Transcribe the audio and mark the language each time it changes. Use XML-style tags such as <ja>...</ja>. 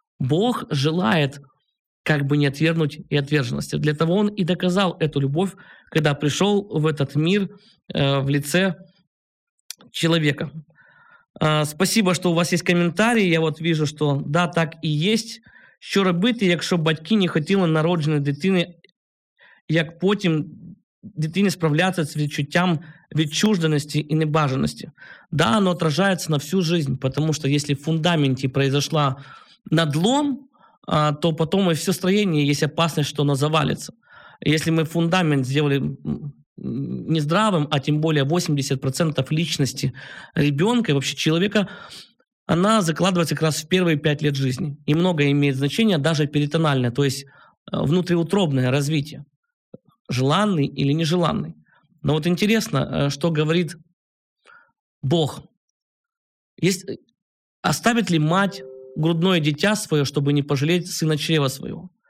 <ru>Бог желает как бы не отвергнуть и отверженности. Для того Он и доказал эту любовь, когда пришел в этот мир в лице человека. Спасибо, что у вас есть комментарии. Я вот вижу, что да, так и есть.</ru> <uk>Що робити, якщо батьки не хотіли народженої дитини, як потім дитині справлятися з відчуттям відчужденості і небажаності? Да, воно відражається на всю життя, тому що якщо в фундаменті</uk> <ru>произошла надлом,</ru> <uk>то потім і все строєння, є опасність, що воно завалиться. Якщо ми фундамент зробили нездравим, а тим більше 80% личності ребенка, взагалі чоловіка,</uk> <ru>она закладывается как раз в первые 5 лет жизни. И многое имеет значение, даже перитональное, то есть внутриутробное развитие, желанный или нежеланный. Но вот интересно, что говорит Бог. Оставит ли мать грудное дитя свое, чтобы не пожалеть сына чрева своего?</ru>